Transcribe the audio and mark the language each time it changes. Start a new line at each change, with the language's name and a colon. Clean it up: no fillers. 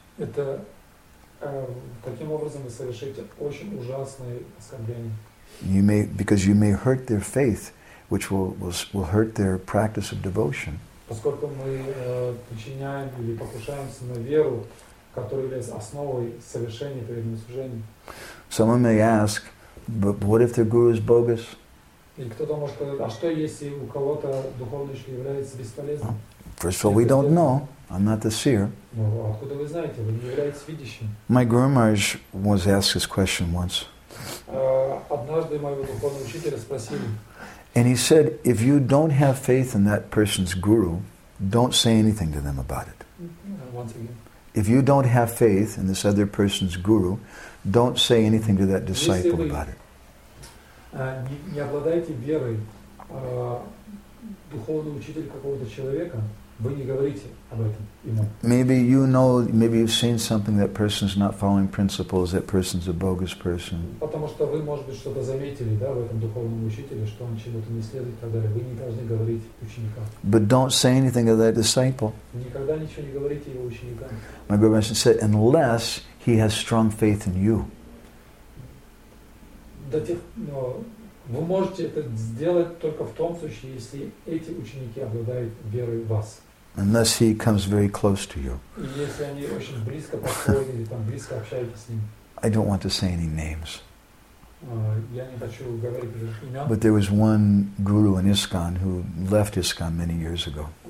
Russian: Это таким образом вы совершите очень ужасное оскорбление.
English: Because you may hurt their faith, which will hurt their practice of devotion.
Russian: Поскольку мы подчиняем или покушаемся на веру, которая является основой совершения преданного служения.
English: Someone may ask, but what if their guru is bogus?
Russian: И кто-то может сказать, а что если у кого-то духовный учитель является бесполезным?
English: First of all, we don't know. I'm not the seer.
Russian: Откуда вы знаете? Вы не являетесь видящим.
English: My Guru Maharaj was asked this question once.
Russian: Однажды моего духовного учителя спросили.
English: And he said, if you don't have faith in that person's guru, don't say anything to them about it. Once again. If you don't have faith in this other person's guru, don't say anything to that disciple about it.
Russian: Если вы не обладаете верой духовного учителя какого-то человека, вы не говорите об этом ему.
English: Maybe you've seen something, that person's not following principles, that person's a bogus person.
Russian: Потому что вы, может быть, что-то заметили, да, в этом духовном учителе, что он чему-то не следует, и так далее. Вы не должны говорить ученикам.
English: But don't say anything to that disciple.
Russian: Никогда ничего не говорите его ученикам.
English: My Guru Maharaj said, unless he has strong faith in you.
Russian: Вы можете это сделать только в том случае, если эти ученики обладают верой в вас.
English: Unless he comes very close to you.
Russian: Если они очень близко подходят или там близко общаются с ним.
English: I don't want to say any names. But there was one guru in ISKCON who left ISKCON many years ago.